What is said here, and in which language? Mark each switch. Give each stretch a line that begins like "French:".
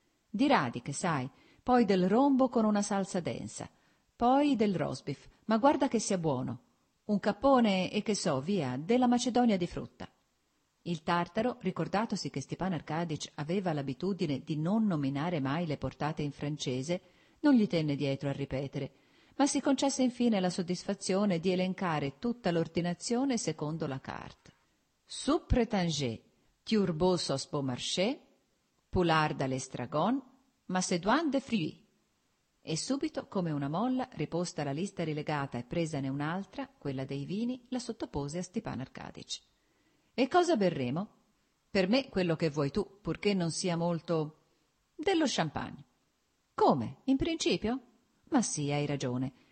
Italian: «Di radiche, sai, poi del rombo con una salsa densa, poi del rosbif, ma guarda che sia buono, un cappone e che so, via, della macedonia di frutta». Il tartaro, ricordatosi che Stepan Arkadyč aveva l'abitudine di non nominare mai le portate in francese, non gli tenne dietro a ripetere, ma si concesse infine la soddisfazione di elencare tutta l'ordinazione secondo la carte.
French: «Soupe prétanger, turbot sauce beaumarchais, poulard à l'estragon, macédoine de fruits».
Italian: E subito, come una molla, riposta la lista rilegata e presane un'altra, quella dei vini, la sottopose a Stepan Arkadyč. «E cosa berremo? Per me quello che vuoi tu, purché non sia molto... dello champagne». «Come? In principio? Ma sì, hai ragione.